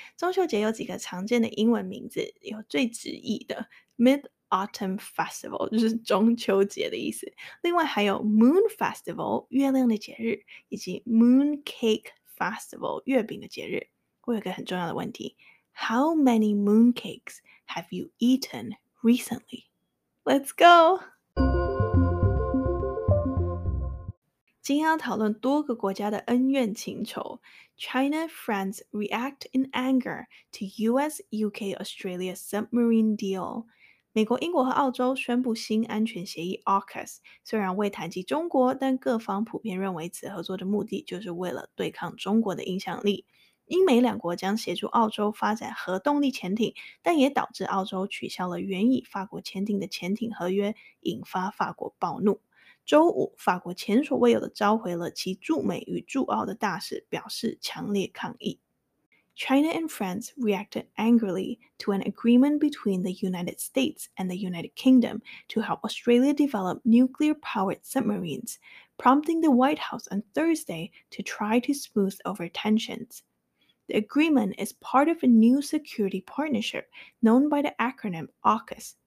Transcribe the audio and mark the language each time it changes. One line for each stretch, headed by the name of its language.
Chinese: 中秋节有几个常见的英文名字，有最直译的 Mid-Autumn Festival， 就是中秋节的意思。另外还有 Moon Festival， 月亮的节日，以及 Moon Cake Festival， 月饼的节日。我有个很重要的问题
English: ：How many moon cakes have you eaten recently？ Let's go。
Chinese: 今天要讨论多个国家的恩怨情仇。
English: China, France react in anger to US, UK, Australia submarine deal.
Chinese: 美国、英国和澳洲宣布新安全协议 AUKUS， 虽然未谈及中国，但各方普遍认为此合作的目的就是为了对抗中国的影响力。英美两国将协助澳洲发展核动力潜艇，但也导致澳洲取消了原以法国签订的潜艇合约，引发法国暴怒。周五，法国前所未有的召回了其驻美与驻澳的大使，表示强烈抗议。
English: China and France reacted angrily to an agreement between the United States and the United Kingdom to help Australia develop nuclear-powered submarines, prompting the White House on Thursday to try to smooth over tensions. The agreement is part of a new security partnership known by the acronym AUKUS.